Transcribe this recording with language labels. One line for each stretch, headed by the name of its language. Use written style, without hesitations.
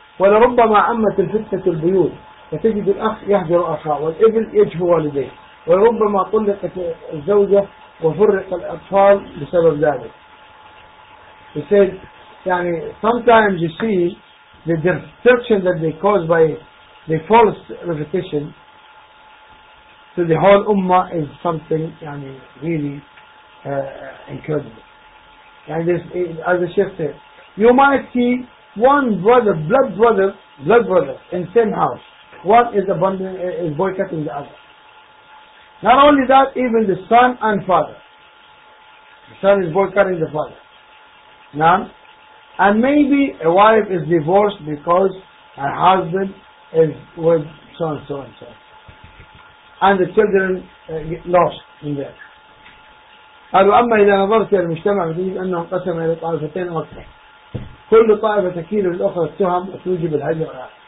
Arabic: ولربما عمت الفتنة البيوت فتجد الأخ يهجر أخاه والابن يجهو والديه، وربما طلقت الزوجة وفرق الأطفال بسبب ذلك. يقول يعني
English: sometimes you see the destruction that they cause by the false repetition to the whole ummah is something يعني really incredible. And this, as the Sheikh said, you might see one brother, blood brother in same house. One is abandoning, is boycotting the other. Not only that, even the son and father. The son is boycotting the father. None. And maybe a wife is divorced because her husband is with so and so and so. And the children get lost in there.
Arabic: قالوا أما إذا نظرت إلى المجتمع فتجد أنه انقسم إلى طائفتين أو أكثر، كل طائفة تكيل الأخرى التهم وتوجب الهجرة.